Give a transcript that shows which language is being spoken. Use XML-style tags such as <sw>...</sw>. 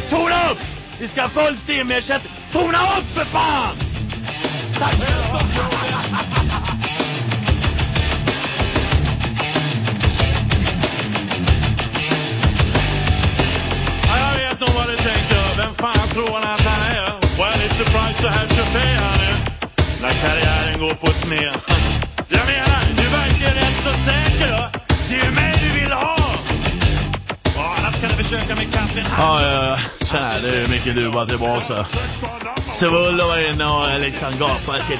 <sv>Tona upp! Vi ska full steam med kött. Tona upp för fan! Tack! Ja, jag vet nog vad du tänker. Vem fan tror han att han är?</sv> <en>Well, it's a price to have to pay, honey.</en> <sv>När karriären går på sne. Jag menar, du verkar rätt så säker. Det är ju mig. Ja, tjena, det är Micke Dubois tillbaka. Svullo var inne och liksom gapade.</sv>